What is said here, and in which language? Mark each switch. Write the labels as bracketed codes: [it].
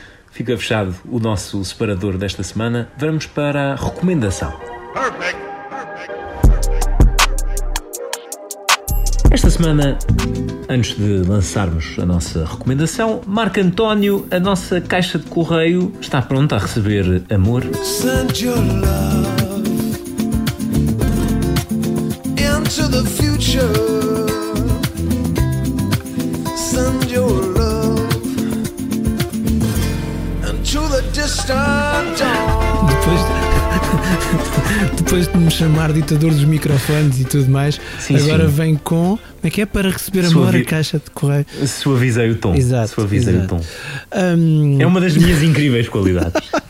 [pt] Fica fechado o nosso separador desta semana. Vamos para a recomendação. Esta semana, antes de lançarmos a nossa recomendação, Marco António, a nossa caixa de correio está pronta a receber amor. [en] Send your love into the future. Send your love into the distant dawn. [pt] Depois de me chamar ditador dos microfones e tudo mais, sim, agora sim. Vem com, como é que é, para receber amor, a caixa de correio. Suavizei o tom. Exato, suavizei exato. O tom. É uma das minhas incríveis qualidades.